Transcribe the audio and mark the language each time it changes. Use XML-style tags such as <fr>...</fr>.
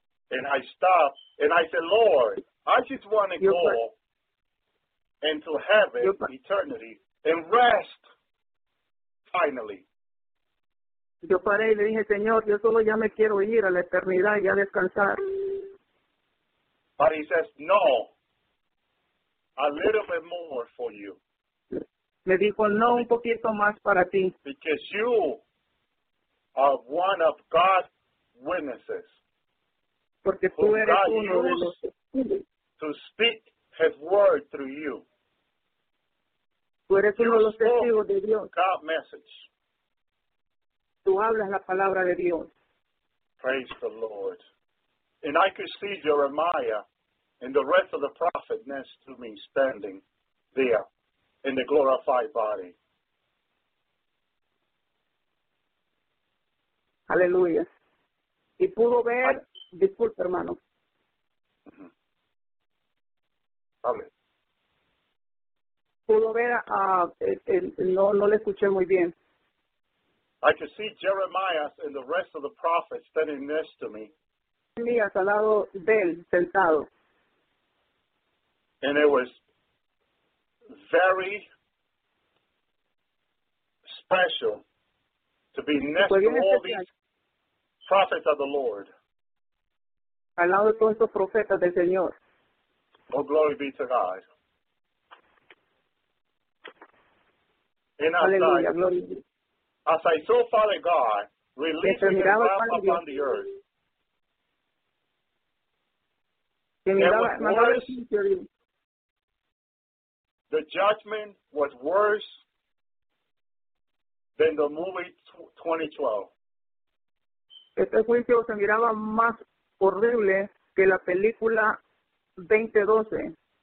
<en>And I stopped, and I said, Lord, I just want to go into heaven, eternity, and rest, finally.</en> <es>Yo paré y le dije, Señor, yo solo ya me quiero ir a la eternidad y a descansar.</es> <en>But he says, no, a little bit more for you.</en> <es>Me dijo, no, un poquito más para ti.</es> <en>Because you are one of God's witnesses.</en> <es>Porque tú eres uno de los testigos.</es> <en>To speak his word through you.</en> <es>Tú eres uno de los testigos de Dios.</es> <en>God's message.</en> <es>Tú hablas la palabra de Dios.</es> <en>Praise the Lord. And I could see Jeremiah and the rest of the prophet next to me standing there in the glorified body.</en> <es>Aleluya. Y pudo ver. Disculpe, hermano. Amén. Pudo ver a... no le escuché muy bien.</es> <en>I could see Jeremiah and the rest of the prophets standing next to me.</en> <es>Jeremías al lado de él, sentado.</es> <en>And it was very special to be next to all these prophets of the Lord.</en> <es>Al lado de todos estos profetas del Señor.</es> <en>Oh, glory be to God. And as I saw Father God releasing His wrath upon</en> <es>Dios.</es> <en>The earth, the judgment was worse than the movie 2012.</en> <es>Este juicio se miraba más horrible que la película 2012.</es>